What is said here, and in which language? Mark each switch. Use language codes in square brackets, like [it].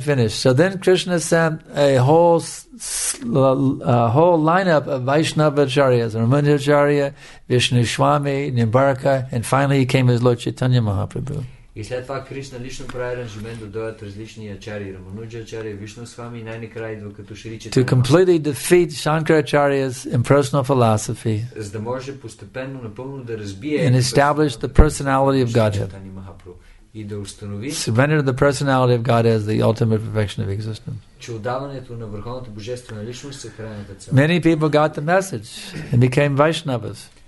[en] So then Krishna sent a whole lineup of Vaishnava Acharyas, Ramana Acharya, Vishnu Swami, Nimbarka, and finally he came as Lord Chaitanya Mahaprabhu. [bg] И след това Кришна лично прави аранжимент да дойдат различни ачари, Рамануджа ачари, Вишну свами и най-накрая идва като Шри Чайтанья. [en] To completely defeat Shankaracharya's impersonal philosophy. [bg] За да може постепенно напълно да разбие [en] and establish the personality of Godhead. [bg] И да установи [en] surrender the personality of God as the ultimate perfection of existence. [bg] Че отдаването на върховната божествена личност се храни да цяло. [en] Many people got the message and became Vaishnavas.